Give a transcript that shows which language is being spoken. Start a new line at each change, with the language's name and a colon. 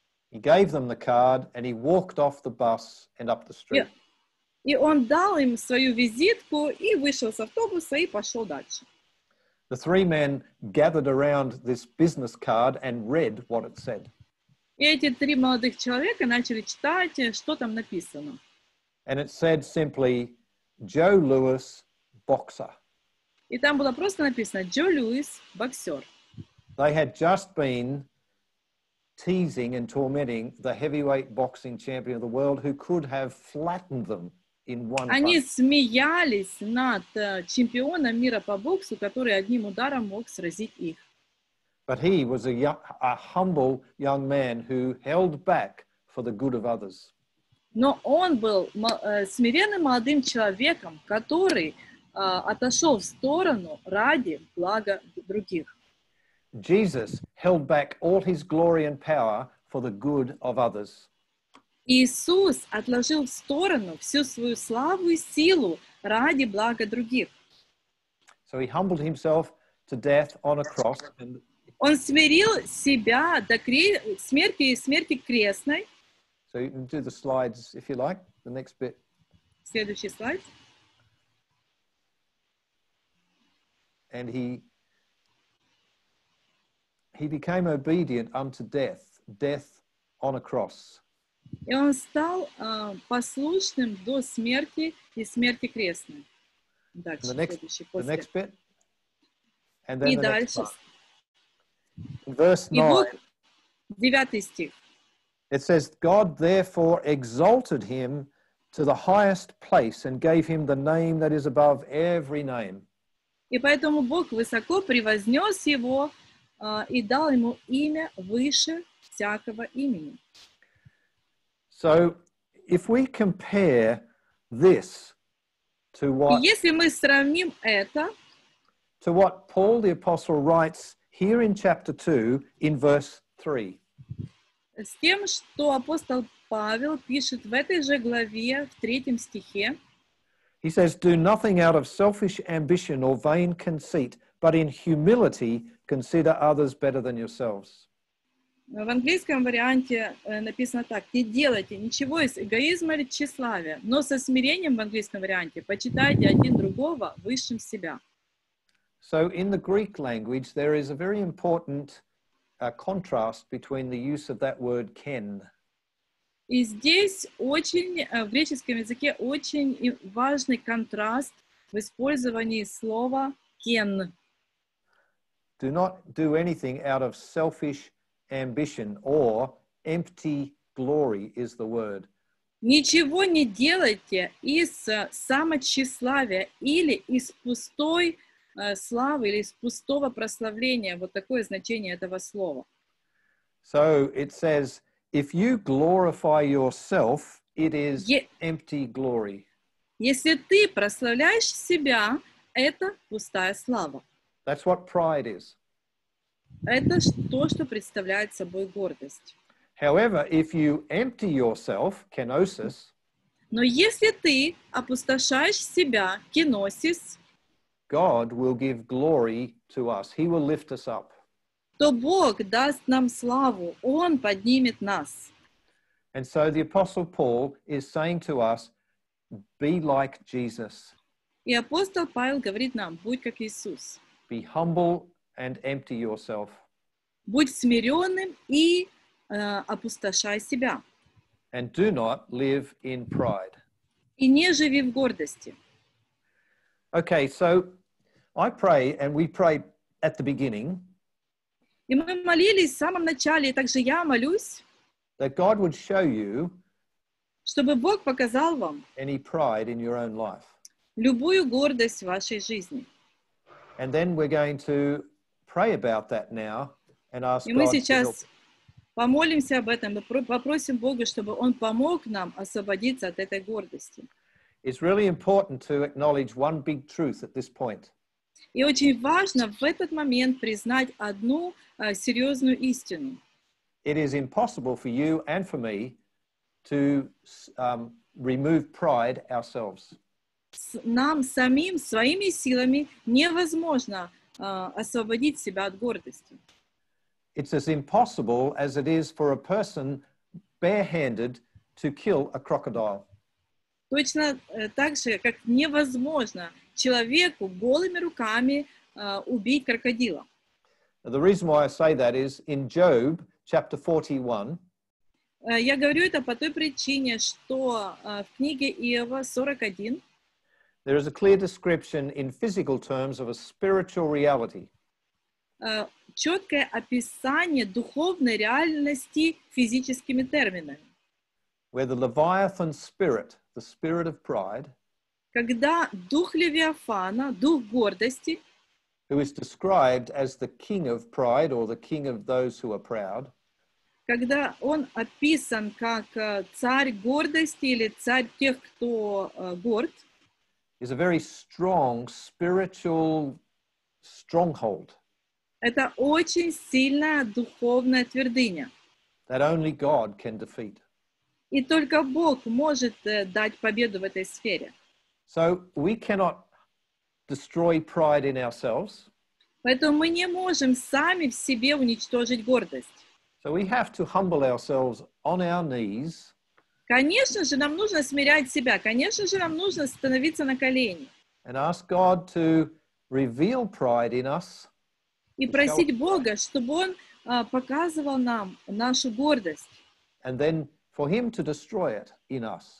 English: He gave them the card and he walked off the bus and up the street.
Russian: И он дал им свою визитку и вышел с автобуса и пошел дальше.
English: The three men gathered around this business card and read what it said.
Russian: И эти три молодых человека начали читать, что там написано.
English: And it said simply, Joe Louis, boxer.
Russian: И там было просто написано Джо Льюис, боксер.
English: They had just been teasing and tormenting the heavyweight boxing champion of the world who could have flattened them in one punch.
Russian: Они смеялись над чемпионом мира по боксу, который одним ударом мог сразить их.
English: But he was a humble young man who held back for the good of others.
Russian: Но он был смиренным молодым человеком, который отошел в сторону ради блага других.
English: Jesus held back all his glory and power for the good of others.
Russian: Иисус отложил в сторону всю свою славу и силу ради блага других.
English: So he humbled himself to death on a cross. And
Russian: он смирил себя до смерти и смерти крестной.
English: So you can do the slides if you like, the next bit.
Russian: Следующий слайд.
English: And he became obedient unto death, death on a cross.
Russian: И он стал послушным до смерти и смерти крестной. Дальше,
English: the next bit. And then
Russian: и
English: the
Russian: дальше.
English: Verse 9.
Russian: Девятый стих.
English: It says, God therefore exalted him to the highest place and gave him the name that is above every name.
Russian: И поэтому Бог высоко превознес его и дал ему имя выше всякого имени.
English: So, if we compare this to what,
Russian: если мы сравним это,
English: to what Paul the Apostle writes here in chapter 2 in verse 3.
Russian: С тем, что апостол Павел пишет в этой же главе, в третьем стихе.
English: He says, do nothing out of selfish ambition or vain conceit, but in humility consider others better than yourselves.
Russian: В английском варианте написано так: не делайте ничего из эгоизма или тщеславия, но со смирением в английском варианте почитайте один другого высшим себя.
English: So in the Greek language there is a very important contrast between the use of that word ken.
Russian: И здесь очень в греческом языке очень важный контраст в использовании слова ken.
English: Do not do anything out of selfish ambition or empty glory is the word.
Russian: Ничего не делайте из самотщеславия или из пустой славы или из пустого прославления. Вот такое значение этого слова.
English: So it says, if you glorify yourself, it is empty glory.
Russian: Если ты прославляешь себя, это пустая слава.
English: That's what pride is.
Russian: Это то, что представляет собой гордость.
English: However, if you empty yourself, kenosis,
Russian: но если ты опустошаешь себя, kenosis,
English: God will give glory to us. He will lift us up.
Russian: То Бог даст нам славу, Он поднимет нас.
English: And so the Apostle Paul is saying to us, be like Jesus.
Russian: И апостол Павел говорит нам, будь как Иисус.
English: Be humble and empty yourself.
Russian: Будь смиренным и опустошай себя.
English: And do not live in pride.
Russian: И не живи в гордости.
English: Okay, so I pray, and we pray at the beginning.
Russian: И мы молились в самом начале, и также я молюсь.
English: That God would show you.
Russian: Чтобы Бог показал вам.
English: Any pride in your own life.
Russian: Любую гордость в вашей жизни.
English: And then we're going to pray about that now and ask God.
Russian: И мы сейчас помолимся об этом и попросим Бога, чтобы Он помог нам освободиться от этой гордости.
English: It's really important to acknowledge one big truth at this point.
Russian: И очень важно в этот момент признать одну серьезную истину.
English: It is impossible for you and for me to remove pride ourselves.
Russian: Нам самим своими силами невозможно освободить себя от гордости.
English: It's as impossible as it is for a person barehanded to kill a crocodile.
Russian: Точно так же, как невозможно человеку голыми руками убить крокодила.
English: The reason why I say that is in Job chapter 41.
Russian: Я говорю это по той причине, что в книге Иова 41.
English: There is a clear description in physical terms of a spiritual reality.
Russian: Четкое описание духовной реальности физическими терминами.
English: Where the Leviathan spirit, the spirit of pride,
Russian: когда дух Левиафана, дух гордости,
English: who is described as the king of pride or the king of those who are proud,
Russian: когда он описан как царь гордости или царь тех, кто горд,
English: is a very strong spiritual stronghold.
Russian: Это очень сильная духовная твердыня.
English: That only God can defeat.
Russian: И только Бог может дать победу в этой сфере.
English: So we cannot destroy pride in ourselves.
Russian: Поэтому мы не можем сами в себе уничтожить гордость.
English: So we have to humble ourselves on our knees.
Russian: Конечно же, нам нужно смирять себя. Конечно же, нам нужно становиться на колени.
English: And ask God to reveal pride in us.
Russian: И просить Бога, чтобы Он показывал нам нашу гордость.
English: And then for Him to destroy it in us.